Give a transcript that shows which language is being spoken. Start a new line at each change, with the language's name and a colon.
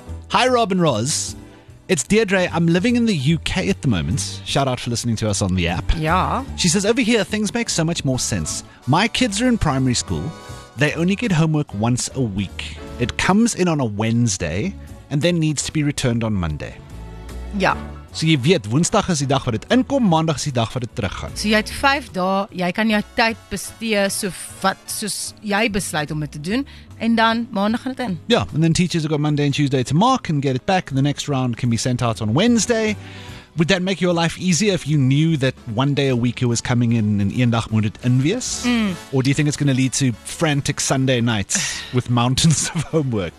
English: Hi, Rob and Roz. It's Deirdre. I'm living in the UK at the moment. Shout out for listening to us on the app. Yeah. She says, over here, things make so much more sense. My kids are in primary school. They only get homework once a week. It comes in on a Wednesday and then needs to be returned on Monday. Yeah.
Afrikaans: So jy weet, Woensdag is die dag wat dit inkom, Maandag is die dag wat dit teruggaan. So jy het 5 dae, jy kan jou tyd bestee soos jy besluit om dit te doen, en dan Maandag gaan dit in.
English: Ja, yeah, and then teachers have got Monday and Tuesday to mark and get it back, and the next round can be sent out on Wednesday. Would that make your life easier if you knew that one day a week it was coming in and
Afrikaans: een dag moet dit in wees?
English: Mm. Or do you think it's going to lead to frantic Sunday nights with mountains of homework?